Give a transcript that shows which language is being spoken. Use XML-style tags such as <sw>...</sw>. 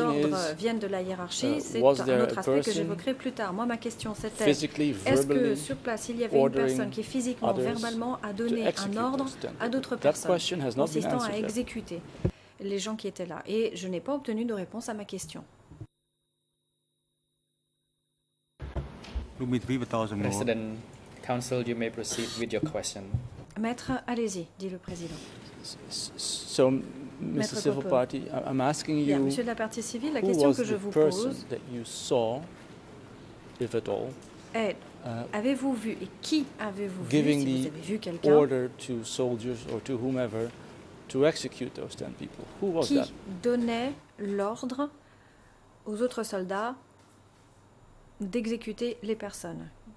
<fr>ordres viennent de la hiérarchie, c'est un autre aspect que j'évoquerai plus tard. Moi, ma question, c'était est-ce que sur place, il y avait une personne qui physiquement, verbalement, a donné un ordre à d'autres personnes consistant à exécuter les gens qui étaient là. Et je n'ai pas obtenu de réponse à ma question.</fr> <en>President, counsel, you may proceed with your question.</en> <fr>Maître, allez-y, dit le président.</fr> <en>So, Mr. Civil Party, I'm asking you,</en> <fr>Monsieur de la partie civile, la question que je vous pose,</fr> <en>that you saw, if at all,</en> <fr>avez-vous vu et qui avez-vous vu, si vous avez vu quelqu'un,</fr> <en>giving the order to soldiers or to whomever to execute those 10 people? Who was</en> <fr>qui</fr> <en>that?</en> <fr>Donnait l'ordre aux autres soldats d'exécuter les personnes?</fr>